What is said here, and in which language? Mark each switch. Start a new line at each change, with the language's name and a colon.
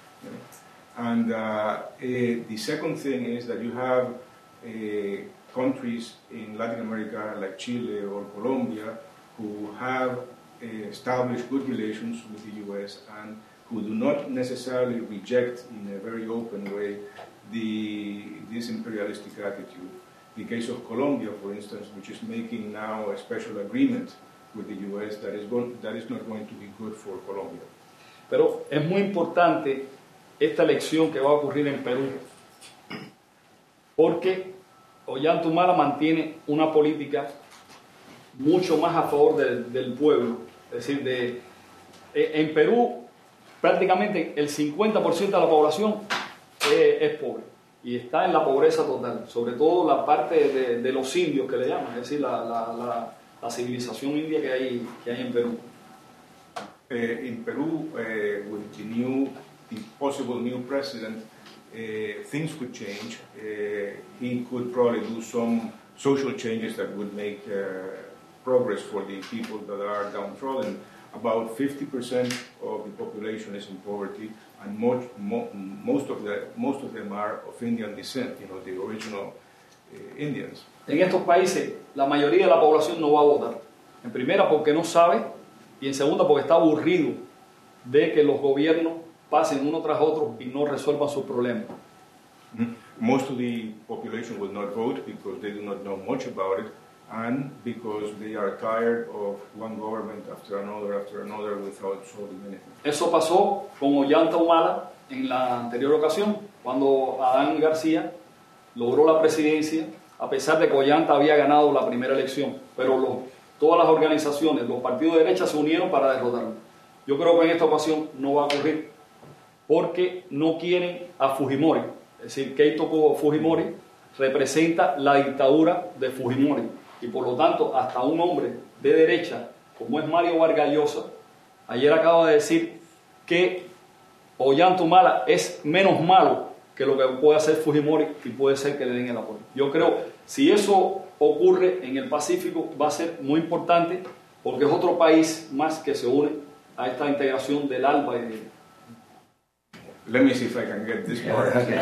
English: You know. And the second thing is that you have countries in Latin America like Chile or Colombia who have established good relations with the U.S. and who do not necessarily reject in a very open way this imperialistic attitude. The case of Colombia, for instance, which is making now a special agreement with the U.S. that is not going to be good for Colombia.
Spanish: Pero es muy importante esta elección que va a ocurrir en Perú, porque Ollantumala mantiene una política mucho más a favor del pueblo. Es decir, en Perú prácticamente el 50% de la población es pobre y está en la pobreza total, sobre todo la parte de los indios, que le llaman, es decir, la civilización india que hay en Perú. En Perú,
English: with the possible new president, things could change. He could probably do some social changes that would make progress for the people that are downtrodden. About 50% of the population is in poverty, and most of them are of Indian descent. You know, the original Indians.
Spanish: En estos países, la mayoría de la población no va a votar. En primera, porque no sabe, y en segunda, porque está aburrido de que los gobiernos pasen uno tras otro y no resuelvan sus problemas.
English: Most of the population will not vote because they do not know much about it, and because they are tired of one government after another without solving anything.
Spanish: Eso pasó con Ollanta Humala en la anterior ocasión, cuando Adán García logró la presidencia, a pesar de que Ollanta había ganado la primera elección, pero todas las organizaciones, los partidos de derecha se unieron para derrotarlo. Yo creo que en esta ocasión no va a ocurrir, porque no quieren a Fujimori. Es decir, Keiko Fujimori representa la dictadura de Fujimori. Y por lo tanto, hasta un hombre de derecha, como es Mario Vargas Llosa, ayer acaba de decir que Ollanta Humala es menos malo que lo que puede hacer Fujimori y puede ser que le den el apoyo. Yo creo, si eso ocurre en el Pacífico, va a ser muy importante, porque es otro país más que se une a esta integración del ALBA y del...
English: Let me see if I can get this part.